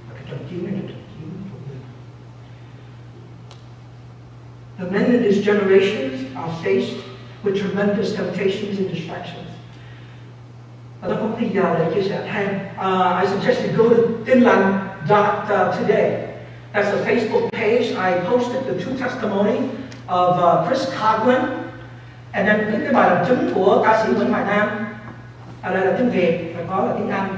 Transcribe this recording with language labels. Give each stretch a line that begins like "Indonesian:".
Vietnamese: Trận chiến này là trận chiến của người.
English: The men in these generations are faced with tremendous temptations and distractions.
Vietnamese: Và tôi không thể giao để chia sẻ thêm.
English: I suggest you go to tinlan.today. That's the Facebook page. I posted the true testimony of Chris Coghlan. And then
Vietnamese: cái bài làm chứng của ca sĩ Nguyễn Hoài Nam. Ở đây là tiếng Việt, phải có là tiếng Anh.